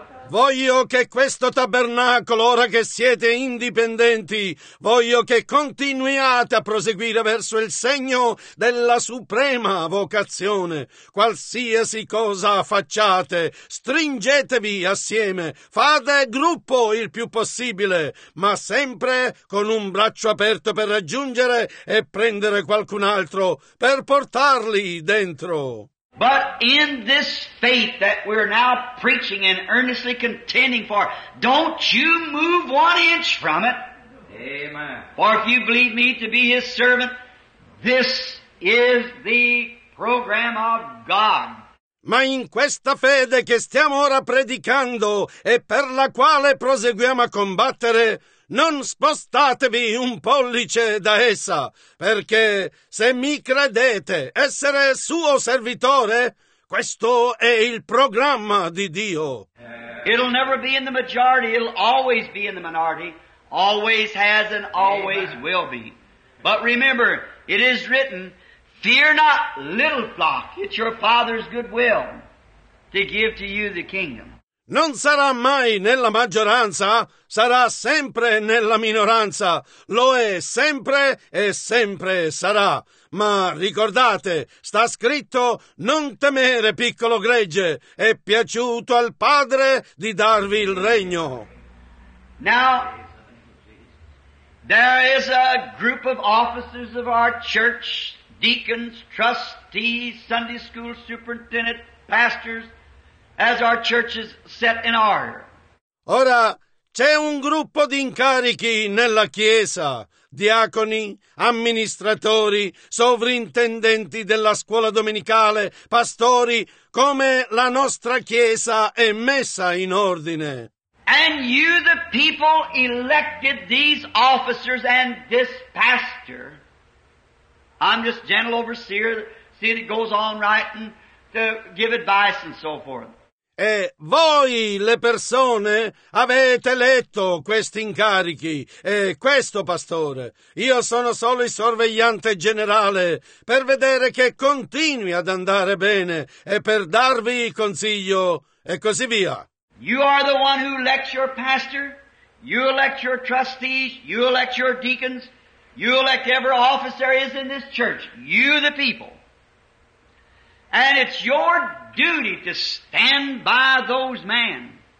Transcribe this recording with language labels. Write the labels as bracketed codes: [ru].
[it] Voglio che questo tabernacolo, ora che siete indipendenti, voglio che continuiate a proseguire verso il segno della suprema vocazione. Qualsiasi cosa facciate, stringetevi assieme, fate gruppo il più possibile, ma sempre con un braccio aperto per raggiungere e prendere qualcun altro per portarli dentro. [en] But in this faith that we're now preaching and earnestly contending for, don't you move one inch from it. Amen. For if you believe me to be his servant, this is the program of God. [it] Ma in questa fede che stiamo ora predicando e per la quale proseguiamo a combattere, non spostatevi un pollice da essa, perché se mi credete essere suo servitore, questo è il programma di Dio. [en] It'll never be in the majority, it'll always be in the minority. Always has and always Amen. Will be. But remember, it is written, fear not, little flock, it's your Father's good will to give to you the kingdom. [it] Non sarà mai nella maggioranza, sarà sempre nella minoranza, lo è sempre e sempre sarà. Ma ricordate, sta scritto, non temere piccolo gregge, è piaciuto al Padre di darvi il regno. [en] Now, there is a group of officers of our church, deacons, trustees, Sunday school superintendent, pastors, as our church is set in order. [it] Ora, C'è un gruppo di incarichi nella Chiesa, diaconi, amministratori, sovrintendenti della scuola domenicale, pastori, come la nostra Chiesa è messa in ordine. [en] And you, the people, elected these officers and this pastor. I'm just gentle overseer, see that it goes on right and to give advice and so forth. [it] E voi, le persone, avete eletto questi incarichi e questo pastore. Io sono solo il sorvegliante generale per vedere che continui ad andare bene e per darvi consiglio e così via. [en] You are the one who elects your pastor, you elect your trustees, you elect your deacons, you elect every officer is in this church, you the people. And it's your duty to stand by those men.